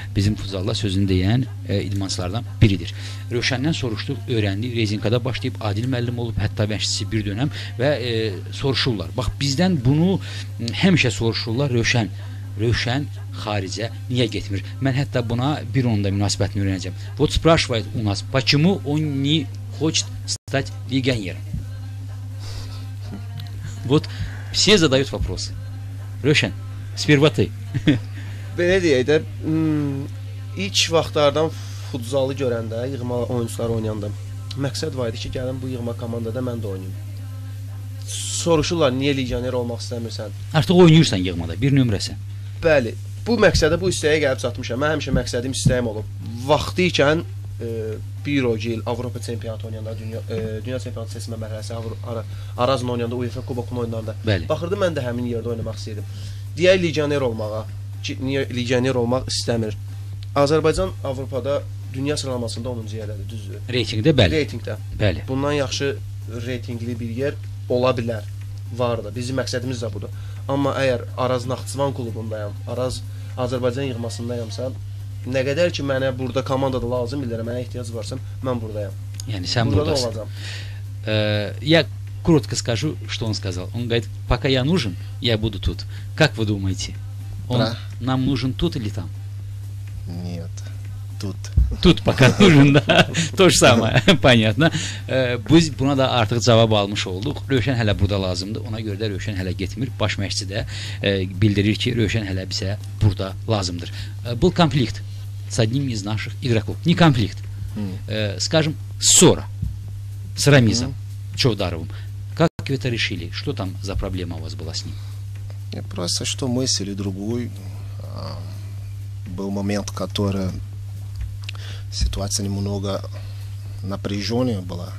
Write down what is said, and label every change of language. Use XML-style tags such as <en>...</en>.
<az>Bizim futzalda sözünü deyən idmançılardan biridir. Rövşəndən soruşduq, öyrəndi. Rezinkada başlayıb, Adil müəllim olub, hətta bənşisi bir dönəm və soruşurlar. Bax, bizdən bunu həmişə soruşurlar. Rövşən xaricə niyə getmir? Mən hətta buna bir onda münasibətini öyrənəcəm.</az> <ru>Вот спрашивает у нас, почему он не хочет стать легионером. Вот Все задают вопросы. Рёшен, сперва ты.</ru> <az>Böyle deyək də, ilk vaxtlardan futzalı görəndə, yığma oyuncuları oynayanda məqsəd var idi ki, gəlin bu yığma komandada mən də oynayım. Soruşurlar, niyə legioner olmaq istəmirsən? Artıq oynayırsan yığmada, bir nömrəsən. Bəli, bu məqsədə bu istəyə gəlib çatmışam. Mən həmişə məqsədim istəyim olub. Vaxtı ikən, bir o gil Avropa çempionatı oynayanda, dünya çempionatı seçmə mərhələsi, Arazın oynayanda, UEFA Kubokun oyunlarında. Bəli. Baxırdı, mən də həmin yerdə oynamaq istəyirdim. Deyək legioner olmağa. Niyə legioner olmaq istəmir? Azərbaycan Avropada dünya sıralamasında 10-cu yerdədir, düzdür? Reytingdə, bəli. Reytingdə. Bəli. Bundan yaxşı reytingli bir yer ola bilər. Vardır. Bizim məqsədimiz də budur. Amma əgər Araz Naxçıvan klubundayam, Araz Azərbaycan yığmasındayamsa, nə qədər ki mənə burada komanda da lazım bilirə, mənə ehtiyac varsa, mən buradayam. Yəni sən buradasın. Burada olacam.</az> <ru>Я коротко скажу, что он сказал. Он говорит: "Пока я нужен, я буду тут. Как вы думаете?" Он нам нужен тут или там? Нет, тут. Тут пока нужен, да? То же самое, понятно.</ru> <az>Biz buna da artıq cavab almış olduq. Röşən hələ burada lazımdır. Ona görə də Röşən hələ getmir. Baş məşqçi də bildirir ki, Röşən hələ bizə burada lazımdır.</az> <ru>Был конфликт с одним из наших игроков. Не конфликт. Скажем, ссора с Рамизом Чоударовым. Как вы это решили? Что там за проблема у вас была с ним? Просто что мысль или другой, был момент, который ситуация немного напряженная была,</ru>